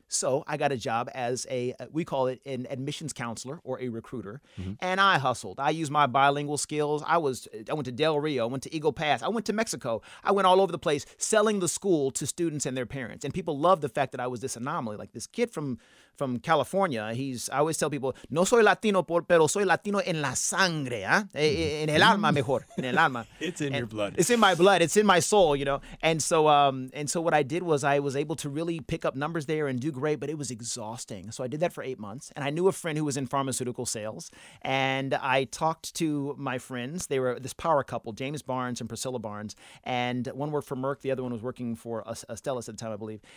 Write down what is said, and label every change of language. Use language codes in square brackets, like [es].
[en] So I got a job as an admissions counselor or a recruiter. Mm-hmm. And I hustled. I used my bilingual skills. I went to Del Rio. I went to Eagle Pass. I went to Mexico. I went all over the place selling the school to students and their parents. And people loved the fact that I was this anomaly, like this kid from California. I always tell people, [es] no soy Latino, pero soy Latino en la sangre, ¿eh? En el alma mejor, en el alma. [en] It's in my blood. It's in my soul, you know. And so what I did was I was able to really pick up numbers there and do great, but it was exhausting. So I did that for 8 months. And I knew a friend who was in pharmaceutical sales. And I talked to my friends. They were this power couple, James Barnes and Priscilla Barnes. And one worked for Merck. The other one was working for Astellas at the time, I believe.